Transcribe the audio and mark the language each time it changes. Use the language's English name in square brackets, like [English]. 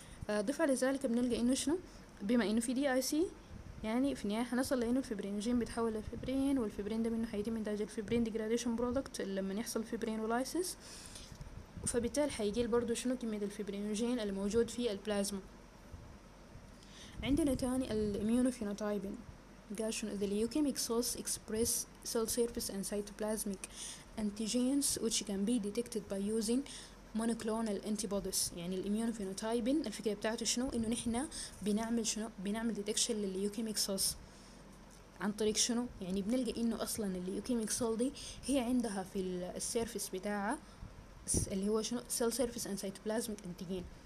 [Arabic] ضف على ذلك بنلقى انه شنو بما انه في دي اي سي, يعني في النهاية هنصل لأنه الفيبرينوجين بيتحول لفيبرين, والفيبرين ده منه حيتم إنتاج الفيبرين ديجراديشن برودكت لما يحصل فيبرينولايسيس, فبالتالي حيقل برضو شنو كمية الفيبرينوجين الموجود في البلازما. عندنا تاني الاميونوفينوتايبين. قال شنو [English] the leukemic cells express cell surface and cytoplasmic antigens which can be detected by using monoclonal antibodies. [Arabic] يعني الاميونوفينوتايبين الفكره بتاعته شنو انه نحنا بنعمل شنو بنعمل ديتكشن للليوكيميك سيلز عن طريق شنو, يعني بنلقى انه اصلا الليوكيميك سيل دي هي عندها في السيرفيس بتاعها اللي هو شنو سيل سيرفيس اند سيتوبلازميك انتيجين.